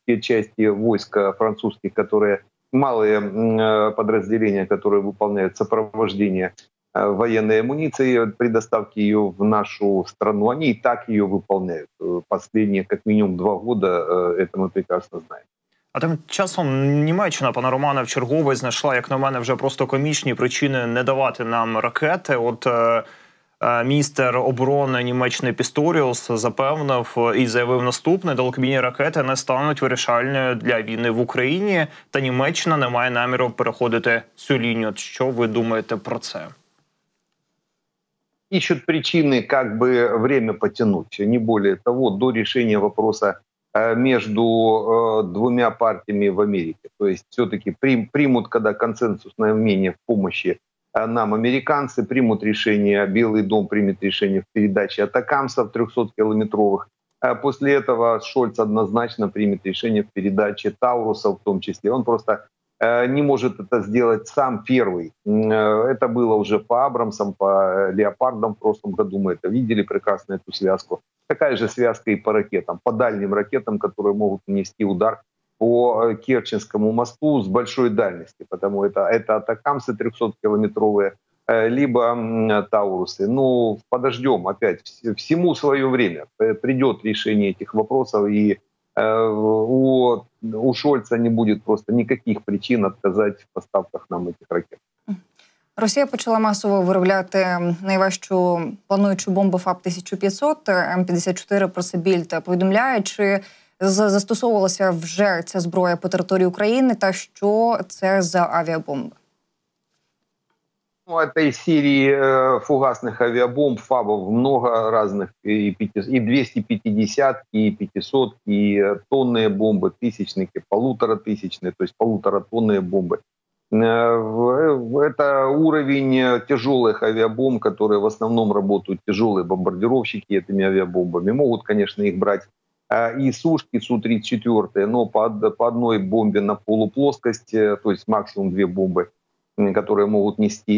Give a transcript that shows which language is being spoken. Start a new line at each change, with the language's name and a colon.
Russian: Те части войск французских, которые малые подразделения, которые выполняют сопровождение военной амуниции, предоставки ее в нашу страну, они и так ее выполняют. Последние, как минимум, 2 года, это мы прекрасно знаем.
Ukrainian: А тим часом Німеччина, пана Романа, вчергове знайшла, як на мене, вже просто комічні причини не давати нам ракети. От міністр оборони Німеччини Пісторіус запевнив і заявив наступне: далекобійні ракети не стануть вирішальною для війни в Україні, та Німеччина не має наміру переходити цю лінію. Що ви думаєте про це? Іщуть причини, як би время потягнути, не більше того, до рішення питання
Russian: между двумя партиями в Америке. То есть все-таки примут, когда консенсусное мнение в помощи нам американцы, примут решение, Белый дом примет решение в передаче атакамсов 300-километровых. После этого Шольц однозначно примет решение в передаче Таурусов в том числе. Он просто не может это сделать сам первый. Это было уже по Абрамсам, по Леопардам в прошлом году. Мы это видели прекрасно, эту связку. Такая же связка и по ракетам, по дальним ракетам, которые могут нанести удар по Керченскому мосту с большой дальности. Потому это атакамсы 300-километровые, либо Таурусы. Ну, подождем опять. Всему свое время придет решение этих вопросов. И у Шольца не будет просто никаких причин отказать в поставках нам этих ракет.
Ukrainian: Росія почала масово виробляти найважчу плануючу бомбу ФАБ-1500 М-54 «Просибільд», повідомляючи, застосовувалася вже ця зброя по території України, та що це за авіабомби? Ну, це із серії фугасних авіабомб, ФАБів багато різних, і 250, і 500, і тонні бомби, тисячники, полуторатисячні, тобто полуторатонні бомби.
Russian: Это уровень тяжелых авиабомб, которые в основном работают тяжелые бомбардировщики этими авиабомбами. Могут, конечно, их брать и сушки Су-34, но по одной бомбе на полуплоскость, то есть максимум 2 бомбы, которые могут нести.